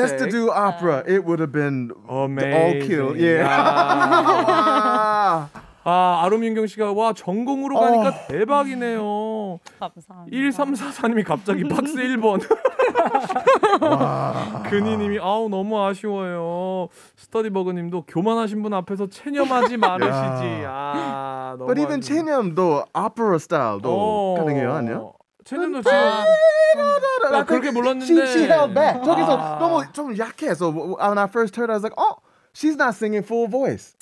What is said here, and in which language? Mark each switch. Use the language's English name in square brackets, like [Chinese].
[English] just to do opera, it would have been amazing. All kill. Yeah. [Korean] 아, 아롬 윤경 씨가 와 전공으로 가니까 대박이네요. 감사합니다. 1344님이 갑자기 박스 1번. 와. 근희 님이 아우 너무 아쉬워요. 스터디 버그 님도 교만하신 분 앞에서 체념하지 마르시지. [English] Yeah. [Korean] 아, 너무. [English] But even [Korean] 체념도 오페라 스타일도 가능해요, 아니야? 체념도 지금 나 그렇게 몰랐는데. [English] She held back. [Korean] 저기서 너무 좀 약해. [English] So when I first heard I was like, "Oh, she's not singing full voice."